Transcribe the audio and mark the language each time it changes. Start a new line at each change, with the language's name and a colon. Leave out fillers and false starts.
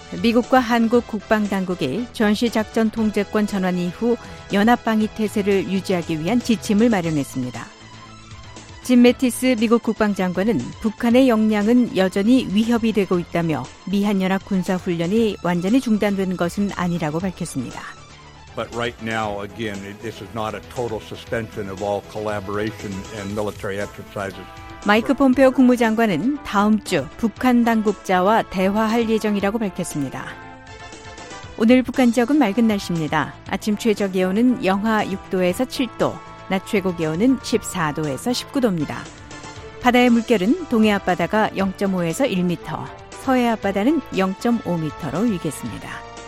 Korean: 미국과 한국 국방당국이 전시작전 통제권 전환 이후 연합방위 태세를 유지하기 위한 지침을 마련했습니다. 짐 매티스 미국 국방장관은 북한의 역량은 여전히 위협이 되고 있다며 미한연합 군사훈련이 완전히 중단된 것은 아니라고 밝혔습니다.
English: But right now, again, this is not a total suspension of all collaboration and military exercises.
Korean: 마이크 폼페오 국무장관은 다음 주 북한 당국자와 대화할 예정이라고 밝혔습니다. 오늘 북한 지역은 맑은 날씨입니다. 아침 최저 기온은 영하 6도에서 7도, 낮 최고 기온은 14도에서 19도입니다. 바다의 물결은 동해 앞바다가 0.5에서 1m, 서해 앞바다는 0.5m로 일겠습니다.